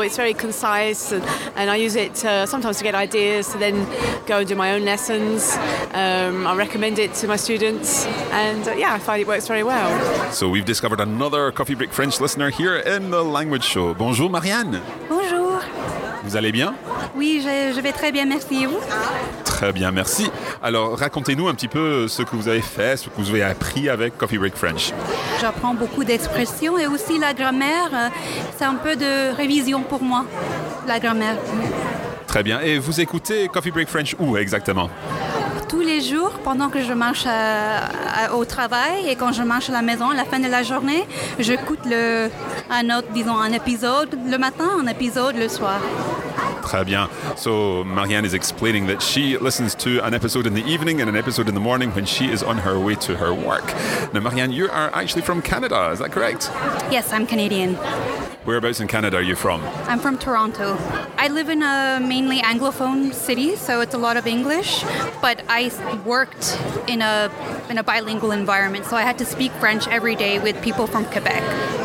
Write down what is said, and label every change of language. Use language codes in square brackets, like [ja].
[en] It's very concise, and I use it sometimes to get ideas to then go and do my own lessons. I recommend it to my students, and I find it works very well. So we've discovered another Coffee Break French listener here in the Language Show. [fr] Bonjour, Marianne. Bonjour. Vous allez bien? Oui, je vais très bien, merci. Et vous? Très bien, merci. Alors, racontez-nous un petit peu ce que vous avez fait, ce que vous avez appris avec Coffee Break French. J'apprends beaucoup d'expressions et aussi la grammaire. C'est un peu de révision pour moi, la grammaire. Très bien. Et vous écoutez Coffee Break French où exactement? Tous les jours, pendant que je marche au travail et quand je marche à la maison à la fin de la journée, j'écoute un épisode le matin, un épisode le soir. très bien. [en] So Marianne is explaining that she listens to an episode in the evening and an episode in the morning when she is on her way to her work. Now, Marianne, you are actually from Canada, is that correct? Yes, I'm Canadian. Whereabouts in Canada are you from? I'm from Toronto. I live in a mainly Anglophone city, so it's a lot of English, but I worked in a bilingual environment, so I had to speak French every day with people from Quebec.